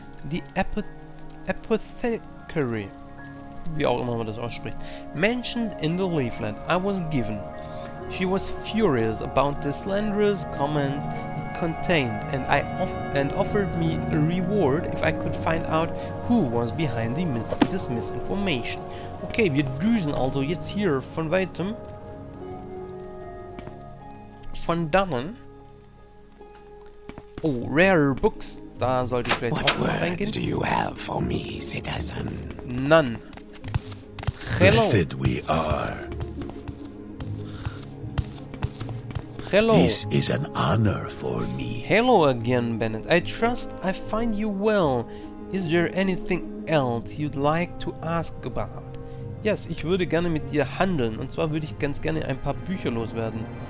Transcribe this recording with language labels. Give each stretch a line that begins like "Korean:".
English: The apothecary.
German: Wie auch immer man das ausspricht.
English: Mentioned in the leaflet I was given. She was furious about the slanderous comments contained, and offered me a reward if I could find out who was behind the misinformation.
German: Okay, wir düsen also jetzt hier von weitem. Von dannen.
English: Oh, rare books.
German: Da sollte ich vielleicht
English: What
German: auch noch reingehen.
English: What words do you have for me, citizen? None. Hello. Blessed we are. Hello. This is an honor for me. Hello again, Bennett. I trust I find you well. Is there anything else you'd like to ask about? Yes,
German: ich würde gerne mit dir handeln. Und zwar würde ich ganz gerne ein paar Bücher loswerden.